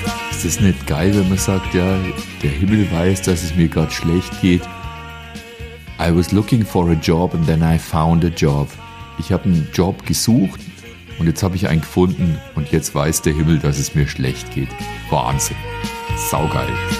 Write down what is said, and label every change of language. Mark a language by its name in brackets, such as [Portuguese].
[German] Ist das nicht geil, wenn man sagt, ja, der Himmel weiß, dass es mir gerade schlecht geht? [English] I was looking for a job and then I found a job. [German] Ich habe einen Job gesucht und jetzt habe ich einen gefunden und jetzt weiß der Himmel, dass es mir schlecht geht. Wahnsinn. Saugeil.